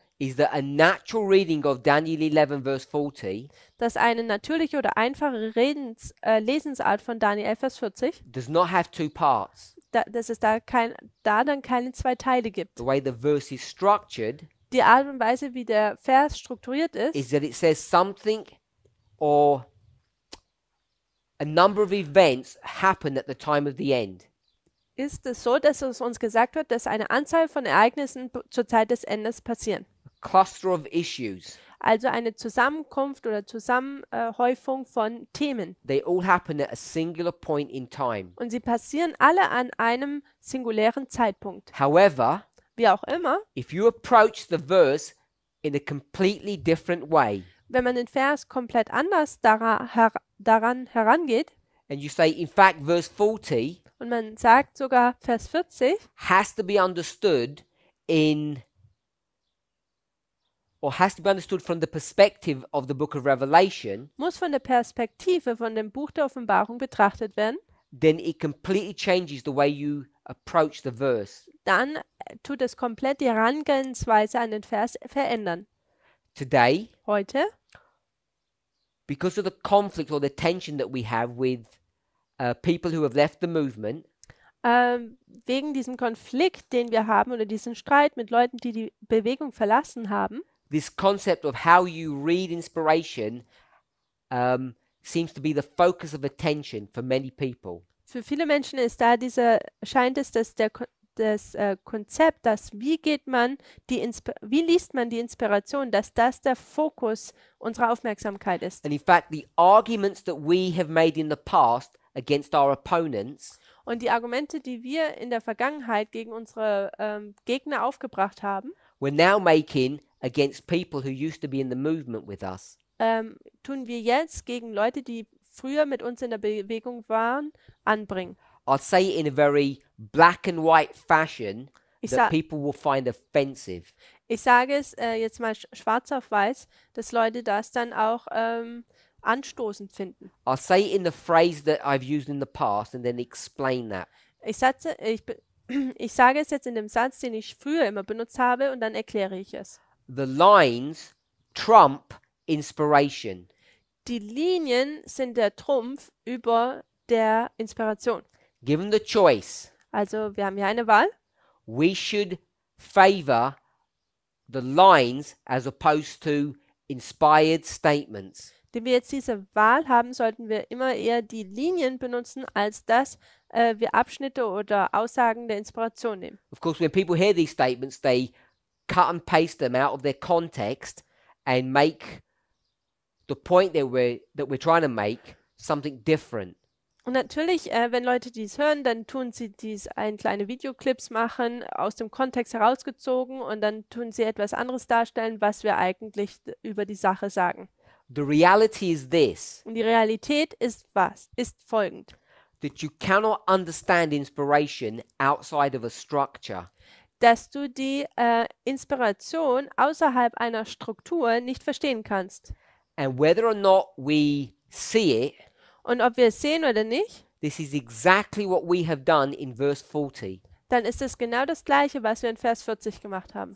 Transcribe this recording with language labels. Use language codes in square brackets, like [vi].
[en] is that a natural reading of Daniel 11 verse 40, [de] dass eine natürliche oder einfache Lesensart von Daniel 11, Vers 40, [en] does not have two parts. [de] Dass es dann keine zwei Teile gibt. [en] The way the verse is structured, [de] die Art und Weise, wie der Vers strukturiert ist, [en] is that it says something or a number of events happen at the time of the end. [de] Ist es so, dass es uns gesagt wird, dass eine Anzahl von Ereignissen zur Zeit des Endes passieren? [en] Cluster of issues. [de] Also eine Zusammenkunft oder Zusammenhäufung von Themen. [en] They all happen at a singular point in time. [de] Und sie passieren alle an einem singulären Zeitpunkt. [en] However, [de] wie auch immer, [en] if you approach the verse in a completely different way, [de] wenn man den Vers komplett anders daran herangeht, [en] and you say, in fact, verse 40, [de] und man sagt sogar Vers 40, [en] has to be understood in or has to be understood from the perspective of the book of Revelation, [de] muss von der Perspektive von dem Buch der Offenbarung betrachtet werden, [en] then it completely changes the way you approach the verse. [de] Dann tut es komplett die Herangehensweise an den Vers verändern. [en] Today, [de] heute, [en] because of the conflict or the tension that we have with people who have left the movement, [de] wegen diesem Konflikt, den wir haben, oder diesen Streit mit Leuten, die die Bewegung verlassen haben, [en] this concept of how you read inspiration seems to be the focus of attention for many people. [de] Für viele Menschen ist da dieser, scheint es, dass das Konzept, dass wie liest man die Inspiration, dass das der Fokus unserer Aufmerksamkeit ist. [en] And in fact, the arguments that we have made in the past against our opponents, [de] und die Argumente, die wir in der Vergangenheit gegen unsere Gegner aufgebracht haben, [en] we're now making against people who used to be in the movement with us. [de] Tun wir jetzt gegen Leute, die früher mit uns in der Bewegung waren, anbringen. [en] I'll say it in a very black and white fashion that people will find offensive. [de] Ich sage es jetzt mal schwarz auf weiß, dass Leute das dann auch anstoßend finden. [en] I'll say it in the phrase that I've used in the past and then explain that. [de] Ich sage es jetzt in dem Satz, den ich früher immer benutzt habe, und dann erkläre ich es. [en] The lines trump inspiration. [de] Die Linien sind der Trumpf über der Inspiration. [en] Given the choice. [de] Also, wir haben hier eine Wahl. [en] We should favor the lines as opposed to inspired statements. [de] Wenn wir jetzt diese Wahl haben, sollten wir immer eher die Linien benutzen, als dass wir Abschnitte oder Aussagen der Inspiration nehmen. [en] Of course, when people hear these statements, they cut and paste them out of their context and make the point that we're trying to make something different. [de] Und natürlich, wenn Leute dies hören, dann tun sie dies ein kleine Videoclips machen, aus dem Kontext herausgezogen, und dann tun sie etwas anderes darstellen, was wir eigentlich über die Sache sagen. [en] The reality is this. [de] Und die Realität ist was? Ist folgend. [en] That you cannot understand inspiration outside of a structure. [de] Dass du die Inspiration außerhalb einer Struktur nicht verstehen kannst. [en] And whether or not we see it, [de] und ob wir es sehen oder nicht, [en] this is exactly what we have done in verse 40. [de] Dann ist es genau das Gleiche, was wir in Vers 40 gemacht haben.